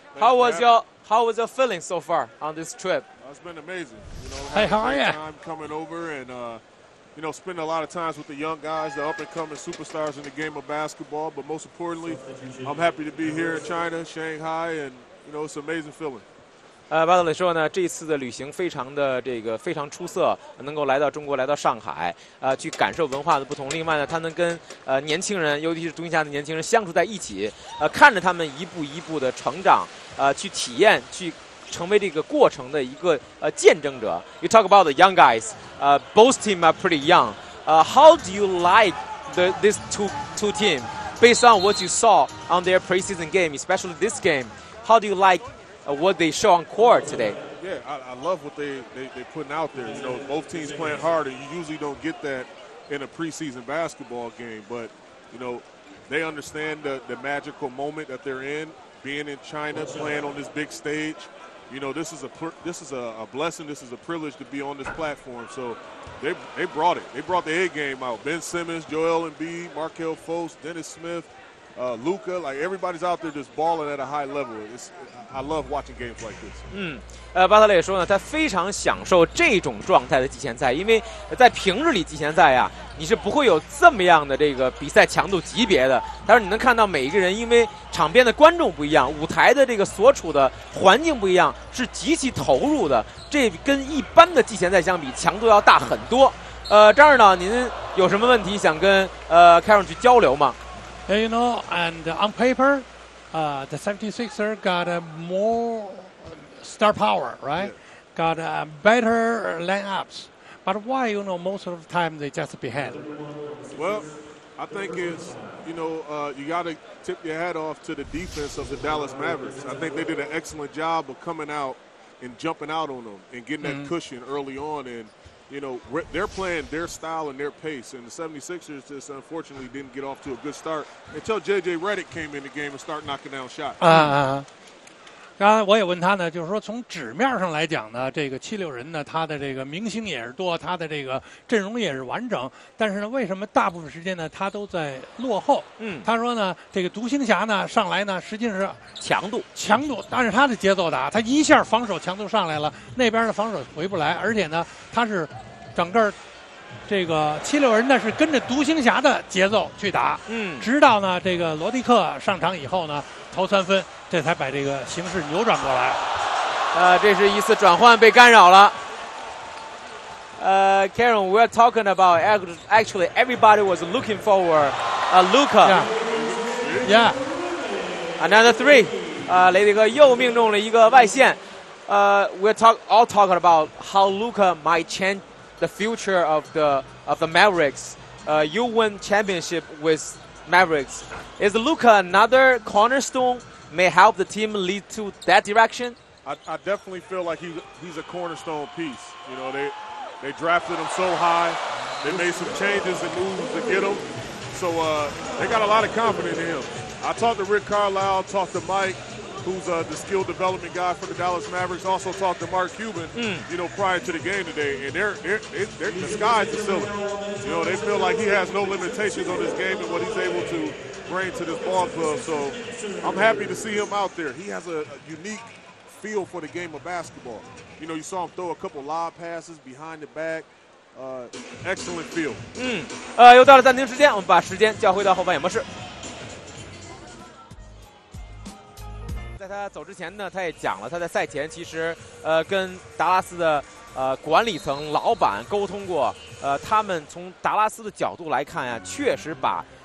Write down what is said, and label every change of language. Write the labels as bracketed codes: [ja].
[en] How was your feeling so far on this trip? It's been amazing. Hey, how are you? I'm coming over and. You know, spend a lot of time with the young guys, the up-and-coming superstars in the game of basketball. But most importantly, I'm happy to be here in China, Shanghai, and, you know, it's an amazing feeling. [zh] 巴特勒说呢，这次的旅行非常的这个非常出色，能够来到中国，来到上海，去感受文化的不同。另外呢，他能跟年轻人，尤其是东契奇的年轻人相处在一起，看着他们一步一步的成长，去体验，去成为这个过程的一个见证者。 [en] You talk about the young guys. Both team are pretty young. How do you like this two team? Based on what you saw on their preseason game, especially this game, how do you like what they show on court today? Yeah, I love what they're putting out there. You know, both teams playing hard, and you usually don't get that in a preseason basketball game. But, you know, they understand the magical moment that they're in, being in China, playing on this big stage. You know, this is a blessing. This is a privilege to be on this platform. So they brought it. They brought the A game out. Ben Simmons, Joel Embiid, Markelle Fultz, Dennis Smith, Luka. Like, everybody's out there just balling at a high level. I love watching games like this. [zh] 巴特勒也说呢，他非常享受这种状态的季前赛，因为在平日里季前赛啊，你是不会有这么样的这个比赛强度级别的。他说你能看到每一个人，因为场边的观众不一样，舞台的这个所处的环境不一样，是极其投入的。这跟一般的季前赛相比，强度要大很多。张指导，您有什么问题想跟Karen去交流吗 [en] ？You know, and on paper, the 76ers got a more star power, right? Yeah. Got better lineups. But why, you know, most of the time they just behind? Well, I think it's, you know, you got to tip your hat off to the defense of the Dallas Mavericks. I think they did an excellent job of coming out and jumping out on them and getting that cushion early on. And, you know, they're playing their style and their pace. And the 76ers just unfortunately didn't get off to a good start until J.J. Redick came in the game and started knocking down shots. [zh] 刚才我也问他呢，就是说从纸面上来讲呢，这个七六人呢，他的这个明星也是多，他的这个阵容也是完整，但是呢，为什么大部分时间呢，他都在落后？他说呢，这个独行侠呢，上来呢，实际上是强度，但是他的节奏打，他一下防守强度上来了，那边的防守回不来，而且呢，他是整个这个七六人呢是跟着独行侠的节奏去打，直到呢这个罗迪克上场以后呢，投三分。这才把这个形势扭转过来，这是一次转换被干扰了。 [en] Karen, we're talking about actually everybody was looking forward, Luka. Yeah. Another three. [zh] 雷迪克又命中了一个外线。 [en] We're talking about how Luka might change the future of the Mavericks. You win championship with Mavericks. Is Luka another cornerstone? May help the team lead to that direction? I definitely feel like he's a cornerstone piece. You know, they drafted him so high. They made some changes and moves to get him. So they got a lot of confidence in him. I talked to Rick Carlisle, talked to Mike, who's the skill development guy for the Dallas Mavericks. Also talked to Mark Cuban, you know, prior to the game today. And they're the sky's the ceiling. You know, they feel like he has no limitations on this game and what he's able to. Brain to this ball club, so I'm happy to see him out there. He has a unique feel for the game of basketball. You know, you saw him throw a couple lob passes behind the back. Excellent feel. [zh] 又到了暂停时间，我们把时间交回到后半演播室。在他走之前呢，他也讲了他在赛前其实跟达拉斯的管理层老板沟通过。他们从达拉斯的角度来看呀，确实把。